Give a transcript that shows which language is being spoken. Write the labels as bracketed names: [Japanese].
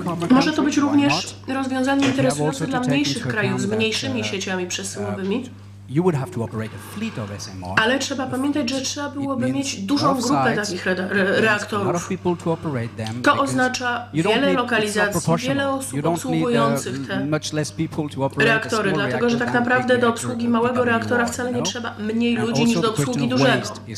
[Polish] Może to być również rozwiązanie interesujące dla mniejszych krajów z mniejszymi sieciami przesyłowymi. [English] You would have to operate a fleet of SMR. [Polish] Ale trzeba pamiętać, że trzeba byłoby mieć dużą grupę takich reaktorów. To oznacza wiele lokalizacji, wiele osób obsługujących te reaktory, dlatego że tak naprawdę do obsługi małego reaktora wcale nie trzeba mniej ludzi niż do obsługi dużego.